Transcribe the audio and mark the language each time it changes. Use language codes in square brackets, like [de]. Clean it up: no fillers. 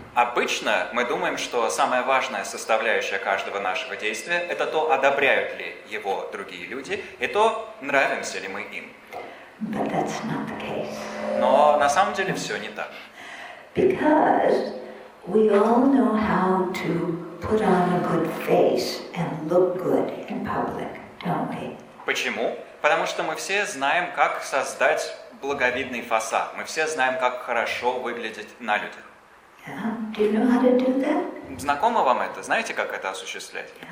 [ru] Обычно мы думаем, что самая важная составляющая каждого нашего действия – это то, одобряют ли его другие люди, и то, нравимся ли мы им. [en] But that's not the case. [ru] Но на самом деле все не так. [en] Because we all know how to put on a good face and look good in public, don't we? [ru] Почему? Потому что мы все знаем, как создать благовидный фасад. Мы все знаем, как хорошо выглядеть на людях. [en] Do you know how to do that? [ru] Знакомо вам это? Знаете, как это осуществлять?